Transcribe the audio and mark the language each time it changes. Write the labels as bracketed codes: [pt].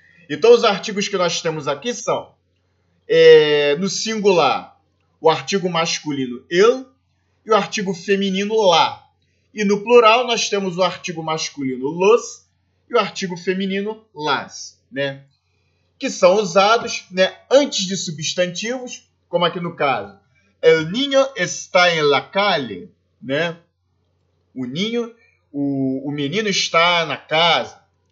[pt] Então, os artigos que nós temos aqui são, no singular, o artigo masculino eu e o artigo feminino lá. E no plural, nós temos o artigo masculino los e o artigo feminino las, né? Que são usados, né, antes de substantivos, como aqui no caso. [es] El niño está en la calle, né? [pt] O ninho, o menino está na casa.